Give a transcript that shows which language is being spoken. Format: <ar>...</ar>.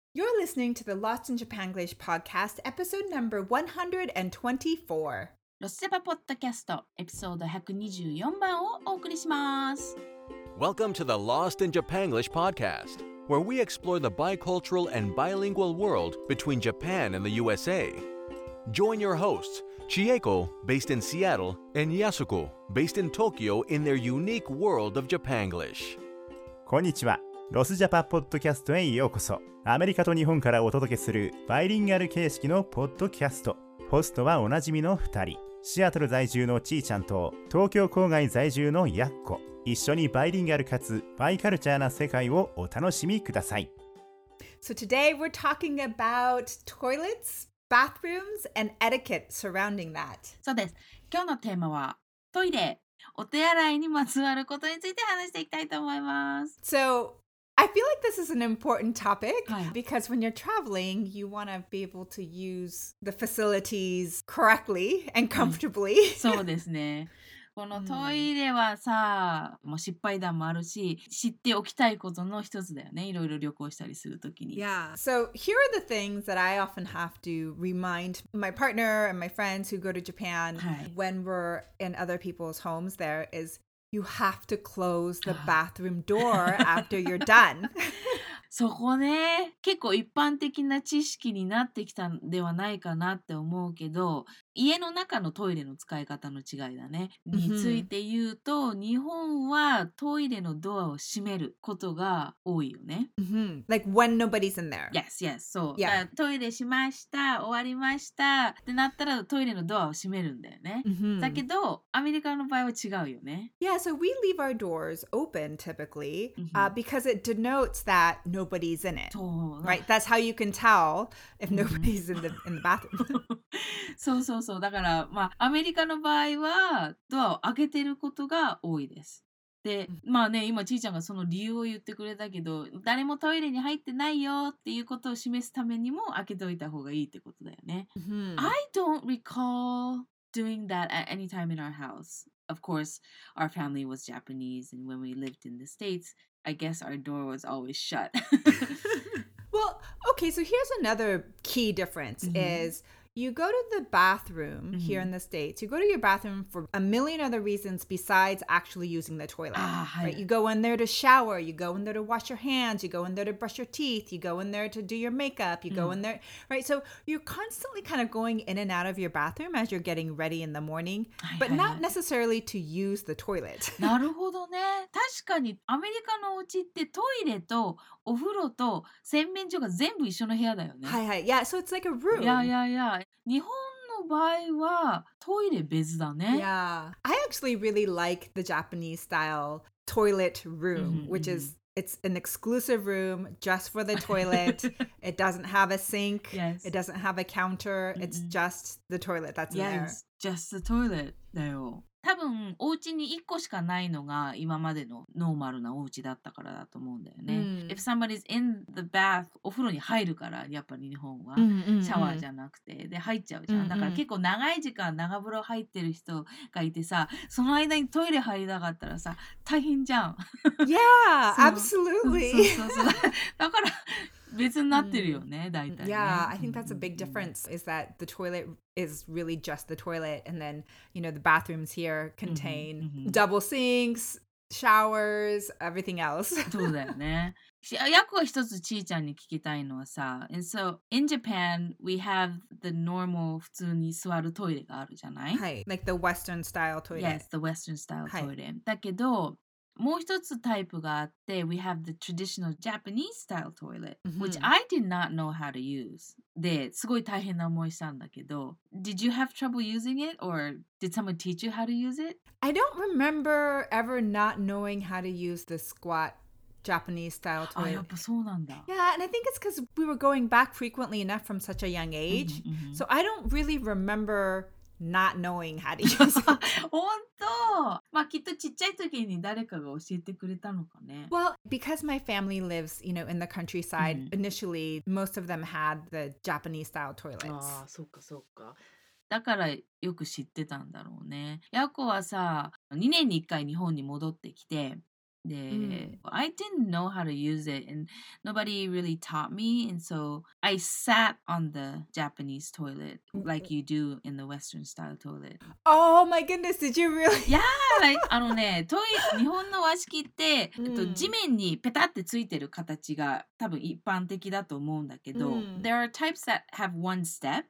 <en>You're listening to the Lost in Japanglish podcast, episode number 124.</en> <ja>ロスジャパポッドキャスト、エピソード124番をお送りします。</ja> <en>Welcome to the Lost in Japanglish podcast, where we explore the bicultural and bilingual world between Japan and the USA. Join your hosts, Chieko, based in Seattle, and Yasuko, based in Tokyo, in their unique world of Japanglish.</en> <ja>こんにちは。ロスジャパポッドキャストへようこそ。アメリカと日本からお届けするバイリンガル形式のポッドキャスト。ホストはおなじみの2人、シアトル在住のちーちゃんと東京郊外在住のやっこ。一緒にバイリンガルかつバイカルチャーな世界をお楽しみください。</ja> <en>So today we're talking about toilets, bathrooms, and etiquette surrounding that.</en> <ja>そうです。今日のテーマはトイレ、お手洗いにまつわることについて話していきたいと思います。</ja> <en>So I feel like this is an important topic、はい、because when you're traveling, you want to be able to use the facilities correctly and comfortably.、</en> <ja>うん、そうですね。このトイレはさ、うん、もう失敗談もあるし、知っておきたいことの一つだよね。いろいろ旅行したりするときに。</ja> <en>Yeah. So here are the things that I often have to remind my partner and my friends who go to Japan、はい、when we're in other people's homes there is... You have to close the bathroom door after you're done.</en> <ja>そこね、結構一般的な知識になってきたんではないかなって思うけど、家の中のトイレの使い方の違いだね。について言うと、mm-hmm. 日本はトイレのドアを閉めることが多いよね。</ja> <en>Mm-hmm. Like when nobody's in there. Yes, yes. そう。Yeah.</en> <ja>トイレしました、終わりましたってなったらトイレのドアを閉めるんだよね。 Mm-hmm. だけど、アメリカの場合は違うよね。</ja> <en>Yeah, so we leave our doors open typically、because it denotes that nobody's in it. Right? That's how you can tell if nobody's in the bathroom.</en> <ja>そうそうそう。だから、まあ、アメリカの場合はドアを開けてることが多いです。で、まあね、今ちーちゃんがその理由を言ってくれたけど、誰もトイレに入ってないよっていうことを示すためにも開けておいた方がいいってことだよね。 Mm-hmm.</ja> <en>I don't recall doing that at any time in our house. Of course, our family was Japanese and when we lived in the States, I guess our door was always shut. Well, okay, so here's another key difference、mm-hmm. is... You go to the bathroom、mm-hmm. here in the States. You go to your bathroom for a million other reasons besides actually using the toilet.、 Right? You go in there to shower. You go in there to wash your hands. You go in there to brush your teeth. You go in there to do your makeup. You、mm-hmm. go in there, right? So you're constantly kind of going in and out of your bathroom as you're getting ready in the morning, but not necessarily to use the toilet.</en> <ja>なるほどね。確かにアメリカのお家ってトイレとお風呂と洗面所が全部一緒の部屋だよね。</ja> <en>はいはい。Yeah, so it's like a room. Yeah, yeah, yeah.</en> <ja>日本の場合はトイレ別だね。</ja> <en>Yeah. I actually really like the Japanese style toilet room, which is, it's an exclusive room just for the toilet. It doesn't have a sink. Yes. It doesn't have a counter. It's just the toilet that's in there. Yes, just the toilet だよ。</en> <ja>多分お家に一個しかないのが今までのノーマルなお家だったからだと思うんだよね。 Mm.</ja> <en>If somebody's in the bath,</en> <ja>お風呂に入るからやっぱり日本は、 mm-hmm. シャワーじゃなくてで入っちゃうじゃん。Mm-hmm. だから結構長い時間長風呂入ってる人がいてさ、その間にトイレ入りたかったらさ大変じゃん。</ja> <en>Yeah, absolutely.</en> <ja>そうそうそう。だから別になってるよね、大体ね。</ja> <en>Yeah, I think that's a big difference is that the toilet... is really just the toilet and then you know the bathrooms here contain mm-hmm, mm-hmm. double sinks, showers, everything else.</en> <ja>そうだよね。やっこ一つちーちゃんに聞きたいのはさ、</ja> <en>and so in Japan we have the normal</en> <ja>普通に座るトイレがあるじゃない？</ja> <en>はい。Like the western style toilet. Yes, the western style toilet. はい。</en> <ja>だけどもう一つタイプがあって</ja> <en>we have the traditional Japanese style toilet、mm-hmm. which I did not know how to use</en> <ja>ですごい大変な思いしたんだけど</ja> <en>did you have trouble using it or did someone teach you how to use it? I don't remember ever not knowing how to use the squat Japanese style toilet.</en> <ja>あ、やっぱそうなんだ。</ja> <en>Yeah, and I think it's because we were going back frequently enough from such a young age、mm-hmm. so I don't really rememberNot knowing how to use it.</en> <ja>本当。まあきっとちっちゃい時に誰かが教えてくれたのかね。</ja> <en>Well, because my family lives, you know, in the countryside,、うん、initially, most of them had the Japanese style toilets.</en> <ja>ああ、そっかそっか。だからよく知ってたんだろうね。ヤコはさ、2年に1回日本に戻ってきて、</ja> <en>で、うん、I didn't know how to use it and nobody really taught me and so I sat on the Japanese toilet like you do in the Western style toilet. Oh my goodness, did you really?</en> <ja>Yeah, like, あのね、トイレ、日本の和式って、地面にペタってついてる形が多分一般的だと思うんだけど、</ja> <en>There are types that have one step.</en>